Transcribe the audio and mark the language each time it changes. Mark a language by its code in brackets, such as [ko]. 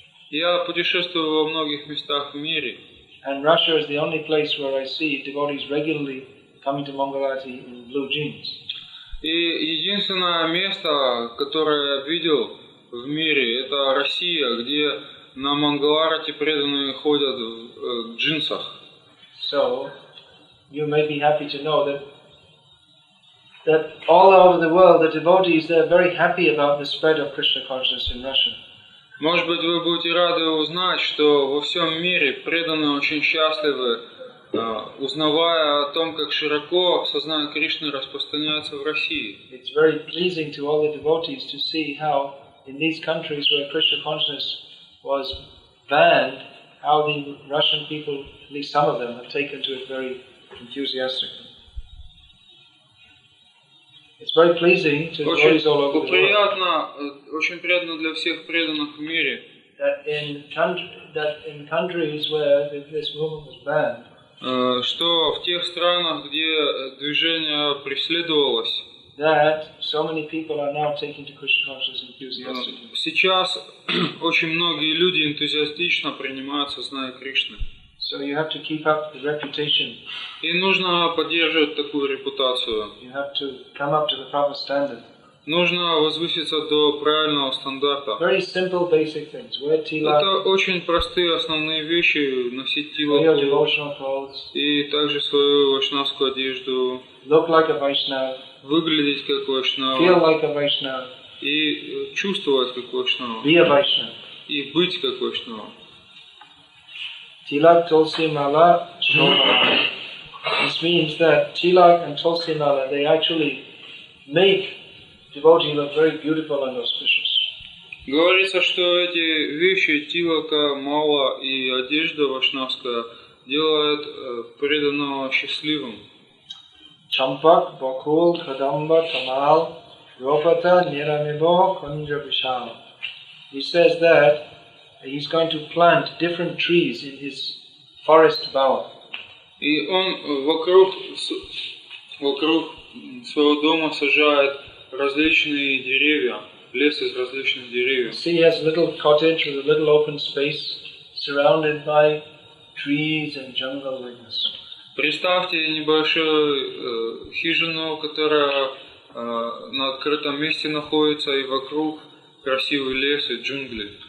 [ru] Я путешествую во многих местах в мире. [en] And Russia is the only place where I see devotees regularly coming to Mangalarti in blue jeans. [ru] И единственное место, которое я видел в мире, это Россия, где на Мангаларти преданные ходят в джинсах. [en] So, you may be happy to know that all over the world, the devotees, they're very happy about the spread of Krishna consciousness in Russia. [ru] Может быть, вы будете рады узнать, что во всем мире преданные очень счастливы, узнавая о том, как широко сознание Кришны распространяется в России. [en] It's very pleasing to all the devotees to see how in these countries where Krishna consciousness was banned, how the Russian people, at least some of them, have taken to it very enthusiastically. It's very pleasing to the devotees all over the world. [ru] Очень приятно для всех преданных в мире. [en] That in countries where this movement was banned, [ru] что в тех странах, где движение преследовалось, [en] that so many people are now taking to Krishna consciousness enthusiastically. [ru] Сейчас очень многие люди энтузиастично принимают сознание Кришны. [en] So you have to keep up the reputation. [ru] И нужно поддерживать такую репутацию. [en] You have to come up to the proper standard. [ru] Нужно возвыситься до правильного стандарта. [en] Very simple, basic things. Wear tilak. [ru] Это очень простые основные вещи: носить тилаку. [en] Wear devotional clothes. [ru] И также свою вайшнавскую одежду. [en] Look like a Vaishnav. [ru] Выглядеть как вайшнав. [en] Feel like a Vaishnav. [ru] И чувствовать как вайшнав. [en] Be a Vaishnav. [ru] И быть как вайшнав. [bn] Tilak, tulsi mala, shomala. [en] This means that tilak and tulsi mala, they actually make devotees look very beautiful and auspicious. [ru] Говорится, что эти вещи, тилака, мала и одежда вайшнавская, делают преданного счастливым. [bn] Champak, bakul, kadamba, tamal, ropata, niramibo, kunja vishal. [en] He says that he's going to plant different trees in his forest bower. [ru] И он вокруг своего дома сажает различные деревья, лес из различных деревьев. [en] See, he has a little cottage with a little open space surrounded by trees and jungle things. [ru] Представьте небольшую хижину, которая на открытом месте находится, и вокруг красивый лес и джунгли.